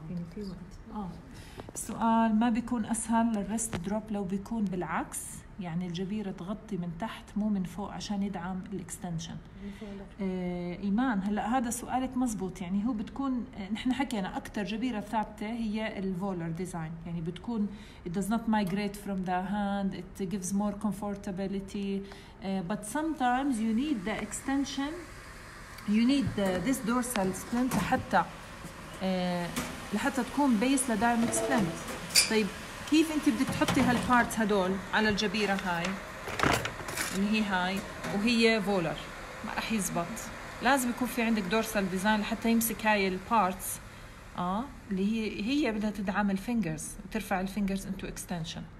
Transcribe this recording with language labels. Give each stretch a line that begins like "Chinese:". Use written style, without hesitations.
Arabic: يعني في وقت السؤال ما بيكون أسهل للريست دروب لو بيكون بالعكس يعني الجبيرة تغطي من تحت مو من فوق عشان يدعم الإكستنشن. إيمان هلأ هذا سؤالك مزبوط، يعني هو بتكون نحن حكينا أكتر جبيرة ثابتة هي الفولر ديزاين، يعني بتكون
English: it does not migrate from the hand, it gives more comfortability, but sometimes you need the extension, you need this dorsal splint
Arabic: حتى لحتى تكون base لدعم extent. طيب كيف انت بدك تحطي هالبارت هدول على الجبيرة هاي اللي هي هاي وهي فولر؟ ما رح يزبط، لازم يكون في عندك دورسال ديزاين حتى يمسك هاي البارتس اللي هي بدها تدعم الفينجرز وترفع الفينجرز انتو اكستنشن.